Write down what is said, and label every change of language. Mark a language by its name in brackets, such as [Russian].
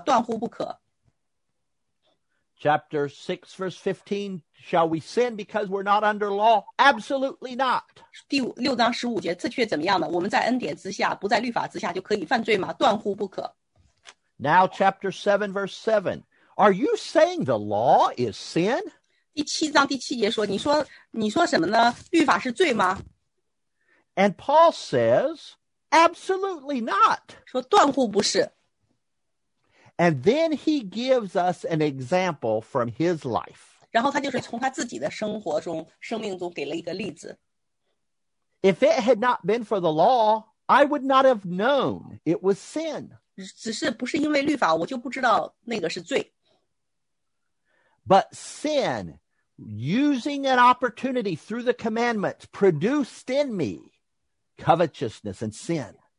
[Chinese] 断乎不可。 [English] Chapter 6, verse 15, shall we sin because we're not under law? Absolutely not. [Chinese] 第六章十五节，这却怎么样呢？我们在恩典之下，不在律法之下，就可以犯罪吗？断乎不可。 [English] Now, chapter 7, verse 7. Are you saying the law is sin? [Chinese] 第七节说, 你说什么呢?律法是罪吗? [English] And Paul says, absolutely not. [Chinese] 说断乎不是。 [English] And then he gives us an example from his life. [Chinese] 然后他就是从他自己的生活中, 生命中给了一个例子。 [English] If it had not been for the law, I would not have known it was sin. [Chinese] 只是不是因为律法, 我就不知道那个是罪。 [English] But sin, using an opportunity through the commandments, produced in me covetousness and sin.